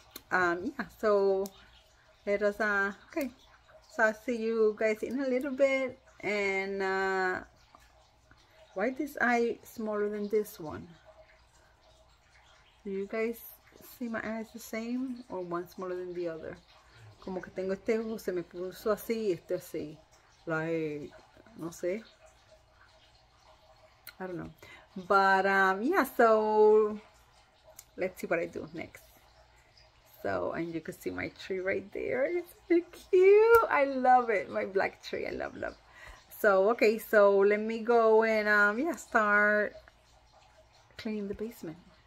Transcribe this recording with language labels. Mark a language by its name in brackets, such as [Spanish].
[English] Yeah, so it was okay. So I'll see you guys in a little bit. And why is this eye smaller than this one? Do you guys see my eyes the same or one smaller than the other? [Spanish] Como que tengo este ojo, se me puso así y este así. Like, no sé. [English] I don't know. But yeah, so let's see what I do next. So, and you can see my tree right there. It's so cute. I love it. My black tree. I love, love. So, okay, so let me go and yeah, start cleaning the basement.